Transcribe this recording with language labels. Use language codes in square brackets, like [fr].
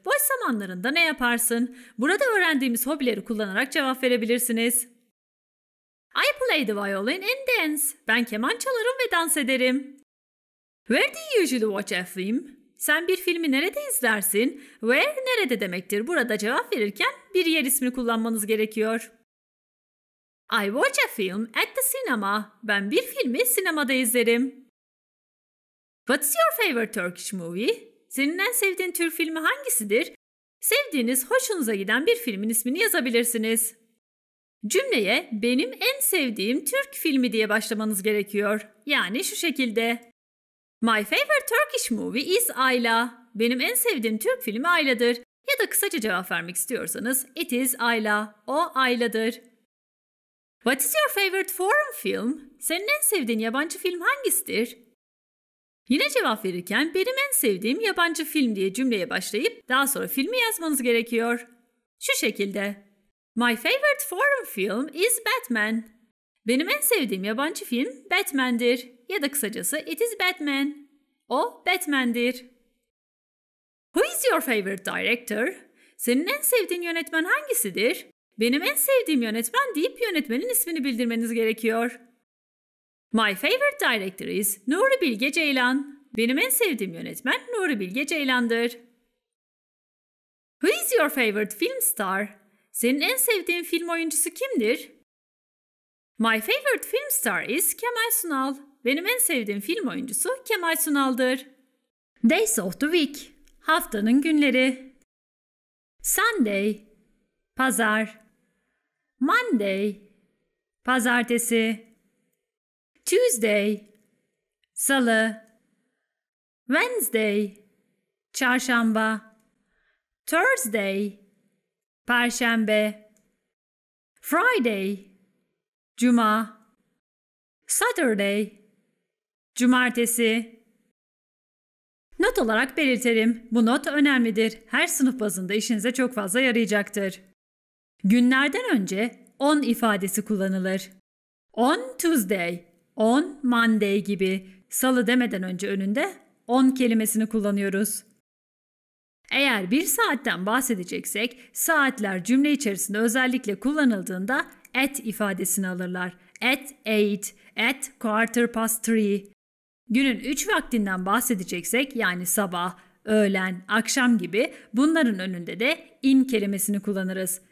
[tr] Boş zamanlarında ne yaparsın? Burada öğrendiğimiz hobileri kullanarak cevap verebilirsiniz. [en] I play the violin and dance. [tr] Ben keman çalarım ve dans ederim. [en] Where do you usually watch a film? [tr] Sen bir filmi nerede izlersin? Where nerede demektir? Burada cevap verirken bir yer ismini kullanmanız gerekiyor. [en] I watch a film at the cinema. [tr] Ben bir filmi sinemada izlerim. [en] What's your favorite Turkish movie? [tr] Senin en sevdiğin Türk filmi hangisidir? Sevdiğiniz, hoşunuza giden bir filmin ismini yazabilirsiniz. Cümleye benim en sevdiğim Türk filmi diye başlamanız gerekiyor. Yani şu şekilde. [en] My favorite Turkish movie is Ayla. [tr] Benim en sevdiğim Türk filmi Ayla'dır. Ya da kısaca cevap vermek istiyorsanız [en] it is Ayla. [tr] O Ayla'dır. [en] What is your favorite foreign film? [tr] Senin en sevdiğin yabancı film hangisidir? Yine cevap verirken benim en sevdiğim yabancı film diye cümleye başlayıp daha sonra filmi yazmanız gerekiyor. Şu şekilde. [en] My favorite foreign film is Batman. [tr] Benim en sevdiğim yabancı film Batman'dir. Ya da kısacası [en] it is Batman. [tr] O Batman'dir. [en] Who is your favorite director? [tr] Senin en sevdiğin yönetmen hangisidir? Benim en sevdiğim yönetmen deyip yönetmenin ismini bildirmeniz gerekiyor. [en] My favorite director is Nuri Bilge Ceylan. [tr] Benim en sevdiğim yönetmen Nuri Bilge Ceylan'dır. [en] Who is your favorite film star? [tr] Senin en sevdiğin film oyuncusu kimdir? [en] My favorite film star is Kemal Sunal. [tr] Benim en sevdiğim film oyuncusu Kemal Sunal'dır. [en] Days of the week. [tr] Haftanın günleri. [en] Sunday. Pazar. Monday. [tr] Pazartesi. Tuesday. Salı. Wednesday. Çarşamba. Thursday. Perşembe. Friday, cuma. Saturday, cumartesi. Not olarak belirtelim. Bu not önemlidir. Her sınıf bazında işinize çok fazla yarayacaktır. Günlerden önce on ifadesi kullanılır. [en] On Tuesday, on Monday gibi. [tr] Salı demeden önce önünde on kelimesini kullanıyoruz. Eğer bir saatten bahsedeceksek, saatler cümle içerisinde özellikle kullanıldığında at ifadesini alırlar. [en] At eight, at quarter past three. [tr] Günün üç vaktinden bahsedeceksek, yani sabah, öğlen, akşam gibi, bunların önünde de in kelimesini kullanırız.